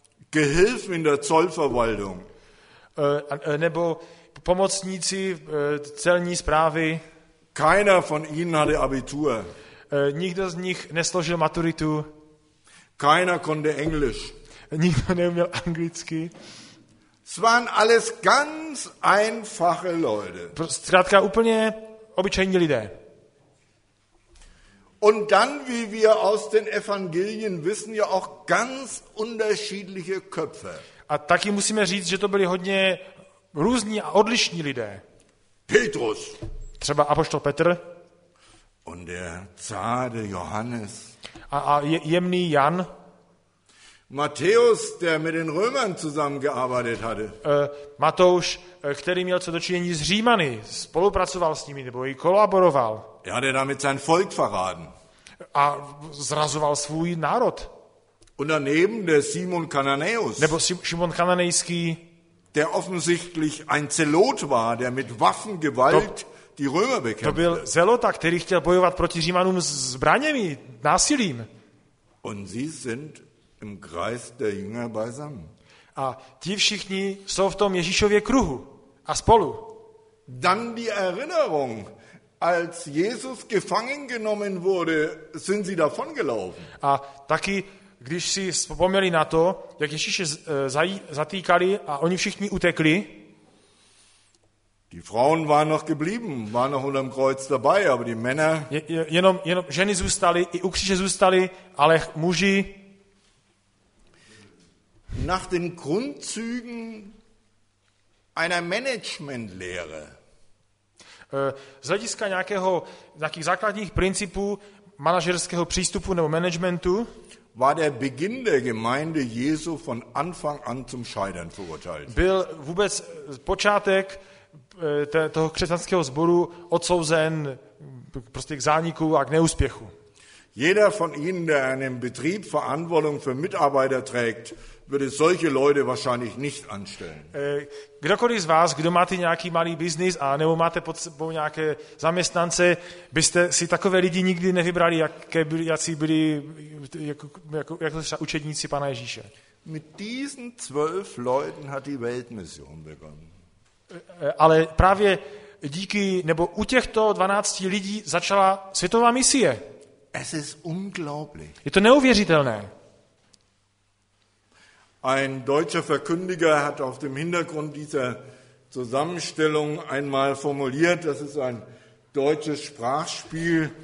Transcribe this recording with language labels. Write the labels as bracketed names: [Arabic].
[German] Gehilfen in der Zollverwaltung. [Czech] Nebo pomocníci celní správy. [German] Keiner von ihnen hatte Abitur. [Czech] Nikdo z nich nesložil maturitu. [German] Keiner konnte Englisch. [Czech] Nikdo neuměl anglicky. [German] Es waren alles ganz einfache Leute. [Czech] Zkrátka úplně obyčejní lidé. [German] Und dann, wie wir aus den Evangelien wissen, ja auch ganz unterschiedliche Köpfe. [Czech] A taky musíme říct, že to byli hodně různí a odlišní lidé. [German] Petrus. [Czech] Třeba apoštol Petr. [German] Und der zarte Johannes. [Czech] A jemný Jan. [German] Matthäus, der mit den Römern zusammengearbeitet hatte. [Czech] Matouš, který měl co dočinění s Římany, spolupracoval s nimi nebo i kolaboroval. [German] Er hatte damit sein Volk verraten. [Czech] A zrazoval svůj národ. [German] Und daneben der Simon Kananäus. [Czech] Nebo Šimon Kananejský. [German] Der offensichtlich ein Zelot war, der mit Waffengewalt die Römer bekämpfte. [Czech] To byl Zelota, který chtěl bojovat proti Římanům s zbraněmi, násilím. [German] Und sie sind im Kreis der Jünger beisammen. [Czech] A ti všichni jsou v tom Ježíšově kruhu a spolu. [German] Dann die Erinnerung, als Jesus gefangen genommen wurde, sind sie davon gelaufen. [Czech] A taky, když si vzpomněli na to, jak Ježíše zatýkali a oni všichni utekli. [German] Die Frauen waren noch geblieben, waren noch unterm Kreuz dabei, aber die Männer. [Czech] Jenom ženy zůstaly, i u kříže zůstaly, ale muži. [German] Nach den Grundzügen einer Managementlehre. [Czech] Z hlediska nějakých základních principů manažerského přístupu nebo managementu [German] war der Beginn der Gemeinde Jesu von Anfang an zum Scheitern verurteilt. [Czech] Byl vůbec počátek toho křesťanského sboru odsouzen prostě k zániku a k neúspěchu. [German] Jeder von ihnen, der einen Betrieb Verantwortung für Mitarbeiter trägt, würde solche Leute wahrscheinlich nicht anstellen. [Czech] Kdokoliv z vás, kdo máte nějaký malý biznis a nebo máte pod sebou nějaké zaměstnance, byste si takové lidi nikdy nevybrali, jak třeba učedníci Pana Ježíše. [German] Mit diesen 12 Leuten hat die Weltmission begonnen. [Czech] Ale právě díky nebo u těchto 12 lidí začala světová misie. [German] Es ist unglaublich. [Czech] Je to neuvěřitelné. [German] Ein deutscher Verkündiger hat auf dem Hintergrund dieser Zusammenstellung einmal formuliert, das ist ein deutsches Sprachspiel.